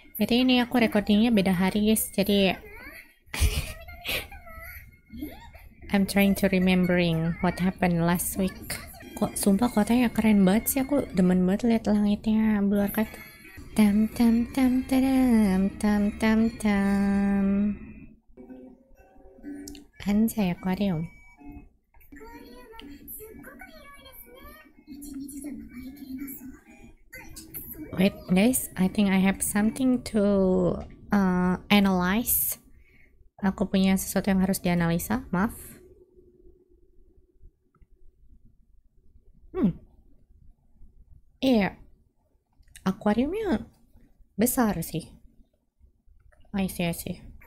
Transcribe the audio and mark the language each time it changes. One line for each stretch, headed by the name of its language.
Indonesian: Jadi ini aku recordingnya beda hari, guys.
English: Jadi I'm trying to remembering what happened last week.
Indonesian: Kok sumpah kotanya keren banget sih, aku demen banget lihat langitnya keluar kayak tam tam tam tam tam tam tam. Kan saya aquarium.
English: Wait, guys, I think I have something to analyze.
Indonesian: Aku punya sesuatu yang harus dianalisa, maaf. Iya, akuariumnya besar sih.
English: I see.